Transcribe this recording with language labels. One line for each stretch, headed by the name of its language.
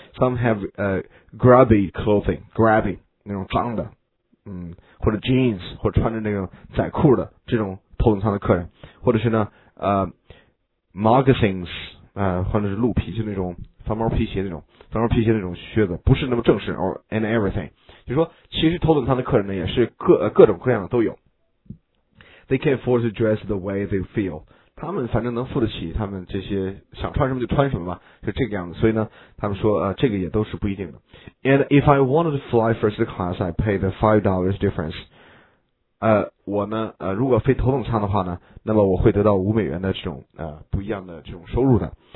English: Some have grubby clothing，
Chinese: grubby 那种脏的，或者 jeans 或者穿着那种窄裤的这种头等舱的客人，或者是呢moccasins 或者是鹿皮，就那种翻毛皮鞋，那种翻毛皮鞋那种靴子，不是那么正式
English: or and everything。
Chinese: 就说其实头等舱的客人呢也是各种各样的都有。
English: They can afford to dress the way they feel。
Chinese: 他们反正能付得起，他们这些想穿什么就穿什么吧，就这个样子。所以呢，他们说这个也都是不一定的。
English: And if I wanted to fly first class, I pay the $5 difference。
Chinese: 我呢如果飞头等舱的话呢，那么我会得到$5的这种不一样的这种收入的。